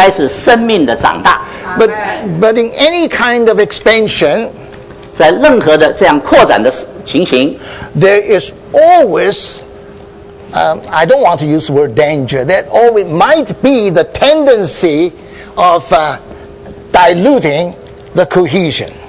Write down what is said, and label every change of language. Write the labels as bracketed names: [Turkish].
[Chinese] 这两个的成长不应该只是数字的增加，也应该是生命的长大。 [English] But in any kind of expansion, [Chinese] 在任何的这样扩展的情形, [English] there is always, I don't want to use the word danger, that always might be the tendency of diluting the cohesion.